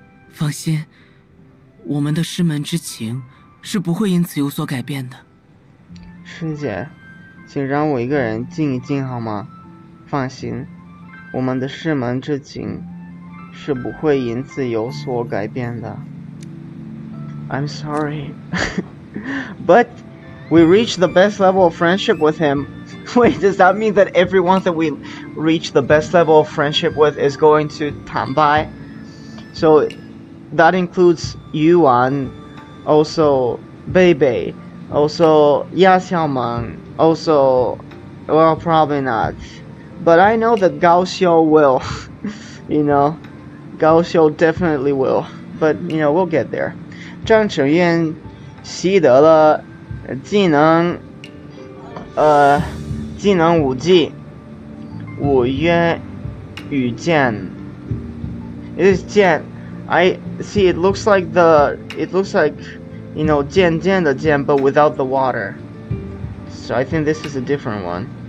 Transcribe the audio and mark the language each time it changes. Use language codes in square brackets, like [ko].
[zh] 放心，我们的师门之情是不会因此有所改变的。师姐，请让我一个人静一静好吗？放心，我们的师门之情是不会因此有所改变的。 [en] I'm sorry. But... We reached the best level of friendship with him. Wait, does that mean that everyone that we reach the best level of friendship with is going to 坦白? So that includes Yuan, also Beibei, also Ya Xiaomeng, also, well, probably not. But I know that Gao Xiu will, you know, Gao Xiu definitely will. But, you know, we'll get there. [zh] 张成燕习得了技能，技能五技，五约与剑。 [en] It is 剑。I see. It looks like, you know, 剑的剑 but without the water. So I think this is a different one.